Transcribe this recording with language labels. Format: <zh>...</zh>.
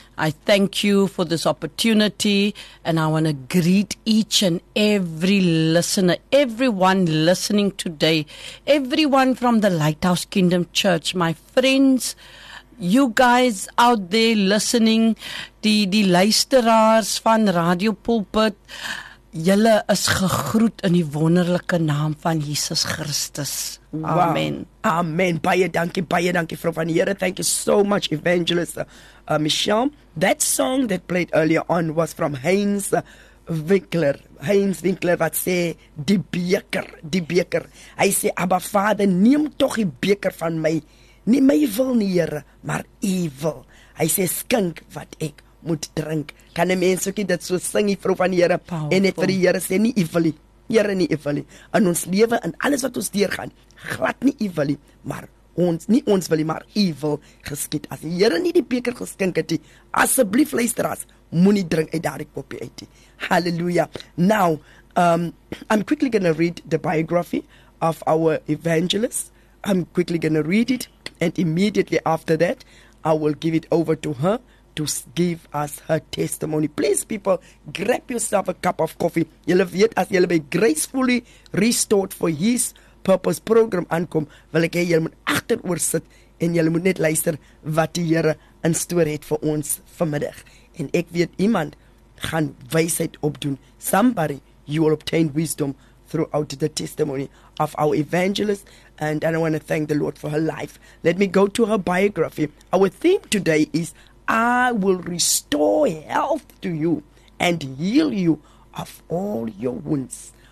<en>I thank you for this opportunity, and I want to greet each and every listener, everyone listening today, everyone from the Lighthouse Kingdom Church, my friends, you guys out there listening,</en> <af>die luisteraars van Radio Pulpit, julle is gegroet in die wonderlike naam van Jesus Christus.</af> <en>Wow. Amen.</en> <af>Amen. Baie dankie, vrou van die Here.</af> <en>Thank you so much, evangelist Michelle. That song that played earlier on was from Heinz Winkler.</en> <af>Heinz Winkler wat sê, die beker. Hy sê, Abba Vader, neem tog die beker van my. Nie my wil nie, Here, maar u wil. Hy sê, skink wat ek moet drink. Kan een mens ook nie dit so sing, die vrou van die Here? En het vir die Here sê, nie u wil nie. Here, nie u wil nie. In ons lewe, in alles wat ons deurgaan, glad nie u wil nie, maar ons, nie ons wil nie, maar u wil geskied. As die Here nie die beker geskink het nie, asseblief luister as, moenie drink uit daardie koppie uit nie. Hallelujah.</af> <en>Now, I'm quickly going to read the biography of our evangelist. I'm quickly going to read it, and immediately after that, I will give it over to her to give us her testimony. Please, people, grab yourself a cup of coffee.</en> <af>Julle weet, as julle by Gracefully Restored for His Purpose program aankom, wil ek hê julle moet agteroor sit en julle moet net luister wat die Here in store het vir ons vanmiddag. En ek weet iemand gaan wysheid opdoen.</af> <en>Somebody, you will obtain wisdom throughout the testimony of our evangelist. And I want to thank the Lord for her life. Let me go to her biography. Our theme today is, I will restore health to you and heal you of all your wounds.</en>